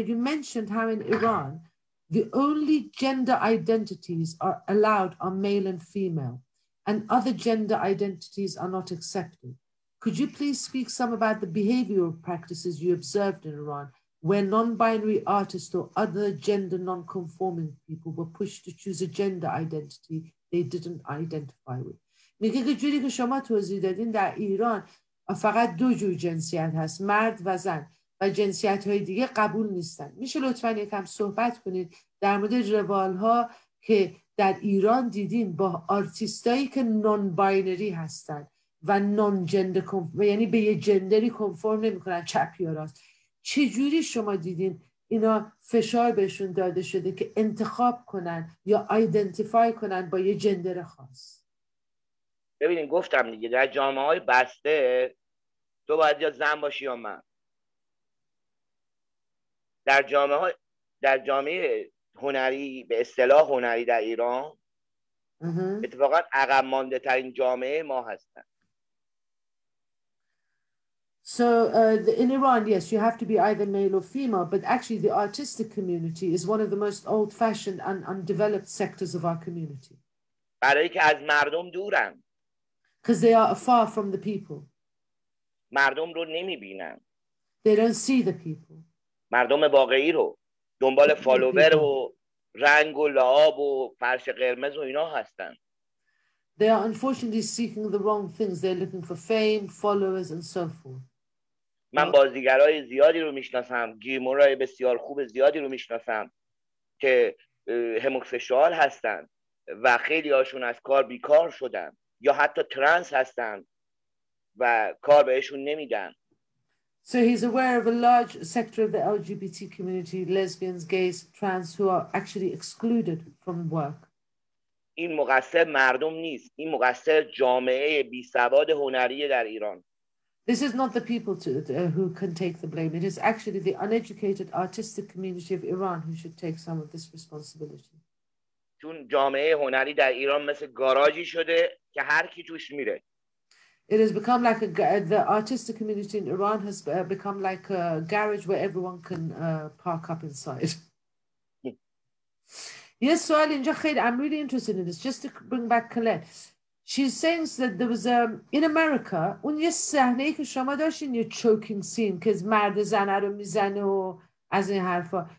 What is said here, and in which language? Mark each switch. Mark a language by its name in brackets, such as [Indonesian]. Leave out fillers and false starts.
[English] You mentioned how in Iran, the only gender identities are allowed are male and female, and other gender identities are not accepted. Could you please speak some about the behavioral practices you observed in Iran, where non-binary artists or other gender non-conforming people were pushed to choose a gender identity they didn't identify with? [Persian] میگه که جوری که شما توضیح دادین در ایران فقط دو جور جنسیت هست، مرد و زن، و جنسیت های دیگه قبول نیستن. میشه لطفا یکم صحبت کنید در مورد روال ها که در ایران دیدین با آرتیستایی که non-binary هستن و نان جندر کنفرم، یعنی به یه جندری کنفرم نمی کنن، چپ یا راست، چجوری شما دیدین اینا فشار بهشون داده شده که انتخاب کنن یا ایدنتیفای کنن با یه جندر خاص؟ ببینین گفتم دیگه، در جامعه های بسته تو باید یا زن باشی یا من. در جامعه هنری، به اصطلاح هنری در ایران، اتفاقا عقب مانده ترین جامعه ما هستن. [English] So in Iran, yes, you have to be either male or female, but actually the artistic community is one of the most old-fashioned and undeveloped sectors of our community. [Persian] برای که از مردم دورن. [English] Because they are far from the people. [Persian] مردم رو نمی‌بینن. [English] They don't see the people. [Persian] مردم واقعی رو دنبال فالوور و رنگ و لعاب و فرش قرمز و اینا هستن. [English] They are unfortunately seeking the wrong things. They're looking for fame, followers, and so forth. [Persian] من بازیگرای زیادی رو میشناسم، گیمورای بسیار خوب زیادی رو میشناسم که هموفشوال هستن و خیلی هاشون از کار بیکار شدن یا حتی ترنس هستن و کار بهشون نمیدن. [English] So he's aware of a large sector of the LGBT community, lesbians, gays, trans, who are actually excluded from work. [Persian] این مقصر مردم نیست. این مقصر جامعه بی سواد هنری در ایران. [English] This is not the people who can take the blame. It is actually the uneducated artistic community of Iran who should take some of this responsibility. [Persian] چون جامعه هنری در ایران مثل گاراژی شده که هر کی توش میره. [English] It has become like the artistic community in Iran has become like a garage where everyone can park up inside. Yes, so I'm really interested in this. Just to bring back Colette. She's saying that there was in America, when you [Persian] sahne ki shoma dashin [English] your choking scene, because [Persian] mard zana ro mizane o az in harfa.